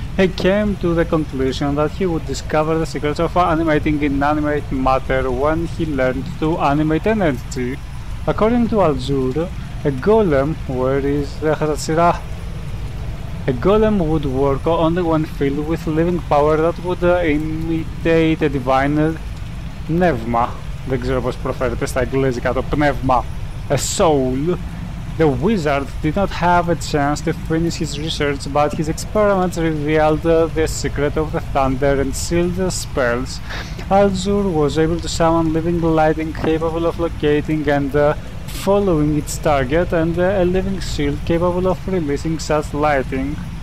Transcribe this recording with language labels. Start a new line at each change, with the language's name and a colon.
English: He came to the conclusion that he would discover the secrets of animating inanimate matter when he learned to animate energy. According to Al'Jur, a golem would work only when filled with living power that would imitate a divine nevma.
Greek: Δεν ξέρω πώς προφέρεται στα αγγλικά το πνεύμα.
English: A soul. The wizard did not have a chance to finish his research, but his experiments revealed the secret of the thunder and sealed the spells. Al'Jur was able to summon living lightning capable of locating and following its target, and a living shield capable of releasing such lightning.